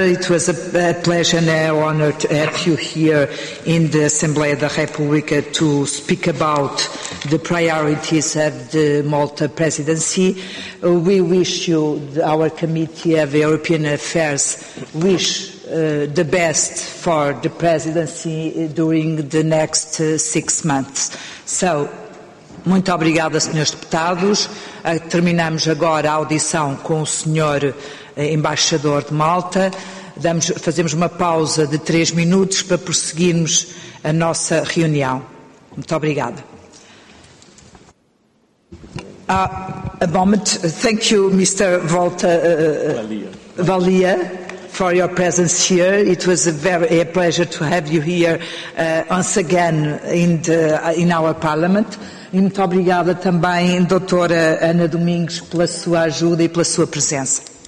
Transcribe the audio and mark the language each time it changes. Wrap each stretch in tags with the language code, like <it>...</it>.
<en>It was a pleasure and an honor to have you here in the Assembly of the Republica to speak about the priorities of the Malta presidency. We wish you, our Committee of European Affairs, wish the best for the presidency during the next 6 months.</en> <pt>So, muito obrigada, Srs. Deputados. Terminamos agora a audição com o Sr. Embaixador de Malta. Fazemos uma pausa de 3 minutos para prosseguirmos a nossa reunião. Muito obrigada.</pt> <en>A moment. Thank you, Mr. Volta Valia, for your presence here. It was a pleasure to have you here once again in our Parliament.</en> <pt>E muito obrigada também, doutora Ana Domingos, pela sua ajuda e pela sua presença.</pt>